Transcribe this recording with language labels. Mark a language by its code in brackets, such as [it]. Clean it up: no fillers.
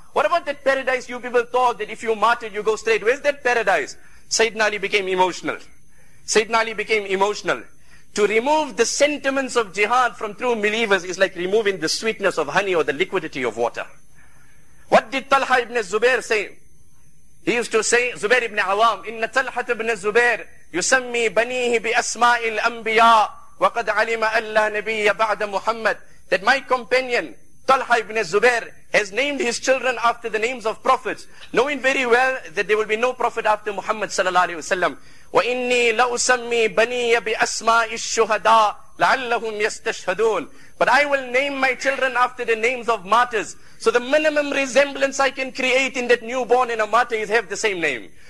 [en] What about that paradise you people thought that if you martyred you go straight? Where's that paradise? Sayyidina Ali became emotional. Sayyidina Ali became emotional. To remove the sentiments of jihad from true believers is like removing the sweetness of honey or the liquidity of water. What did Talha ibn Zubair say? He used to say, [ar] Zubair ibn Awam, إِنَّ Talha ibn Zubair يُسَمِّي بَنِيهِ بِأَسْمَاءِ الْأَنْبِيَاءِ وَقَدْ عَلِمَ أَلَّا نَبِيَّ بَعْدَ مُحَمَّدٍ. [en] That my companion, Talha ibn Zubair, has named his children after the names of prophets, knowing very well that there will be no prophet after Muhammad sallallahu alayhi wa sallam. [ar] وَإِنِّي لَأُسَمِّي بَنِيَّ بِأَسْمَاءِ الشُّهَدَاءِ لَعَلَّهُمْ يَسْتَشْهَدُونَ. [en] But I will name my children after the names of martyrs. So the minimum resemblance I can create in that newborn in a martyr is have the same name.